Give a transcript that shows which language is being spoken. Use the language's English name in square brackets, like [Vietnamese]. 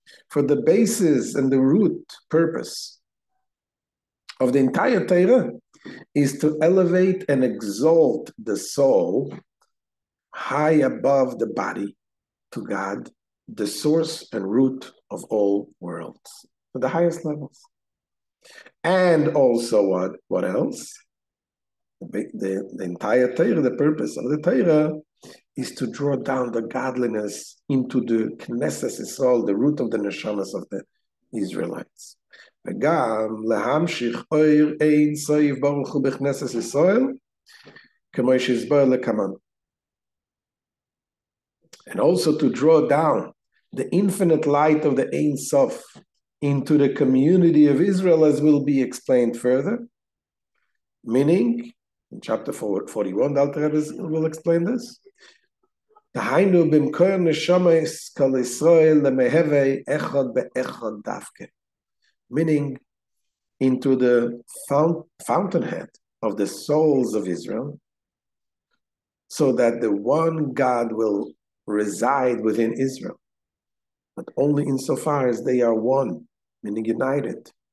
[English] For the basis and the root purpose of the entire Torah is to elevate and exalt the soul high above the body to God, the source and root of all worlds, to the highest levels. And also what else? The entire Torah, the purpose of the Torah, is to draw down the godliness into the Knesset Yisrael, the root of the neshamas of the Israelites. [Hebrew] וגם להמשיך אור אין סוף ברוך הוא בכנסת ישראל, כמו שהסבר לכמן. [English] And also to draw down the infinite light of the Ein Sof into the community of Israel, as will be explained further. Meaning, in chapter 41, the Alter Rebbe will explain this. [Hebrew] תהיינו במקור נשמה כל ישראל למהווה אחד באחד דווקא. [English] Meaning into the fountainhead of the souls of Israel, so that the one God will reside within Israel, but only insofar as they are one, meaning united.